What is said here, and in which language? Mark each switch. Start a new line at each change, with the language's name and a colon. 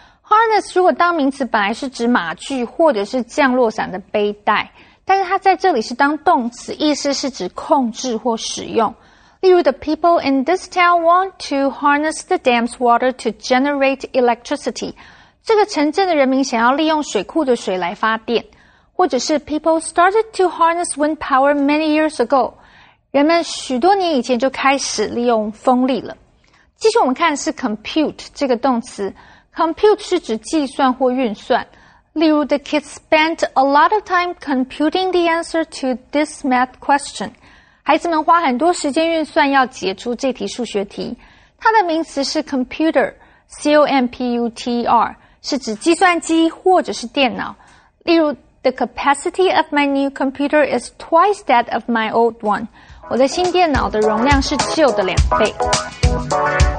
Chinese: harness 如果当名词本来是指马具或者是降落伞的背带，但是它在这里是当动词，意思是指控制或使用。例如
English: the people in this town want to harness the dam's water to generate electricity.
Chinese: 这个城镇的人民想要利用水库的水来发电。或者是
English: people started to harness wind power many years ago.
Chinese: 人们许多年以前就开始利用风力了。继续我们看是 compute 这个动词。 compute 是指计算或运算。例如
English: the kids spent a lot of time computing the answer to this math question.
Chinese: 孩子们花很多时间运算要解出这题数学题。它的名词是 computer,C-O-M-P-U-T-R, 是指计算机或者是电脑。例如
English: the capacity of my new computer is twice that of my old one.
Chinese: 我的新电脑的容量是旧的两倍。